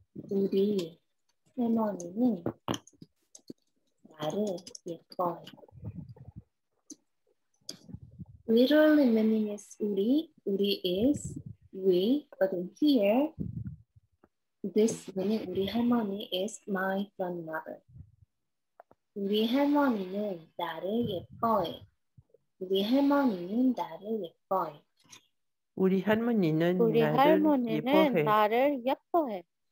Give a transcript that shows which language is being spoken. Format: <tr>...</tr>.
<ko>우리 할머니는 나를 예뻐해.</ko> <en>Literally meaning is 우리. 우리 is we, but in here, this meaning</en> <ko>우리 할머니</ko> <en>is my grandmother.</en> <ko>우리 할머니는 나를 예뻐해. 우리 할머니는 나를 예뻐해. 우리 할머니는 나를 예뻐해.</ko>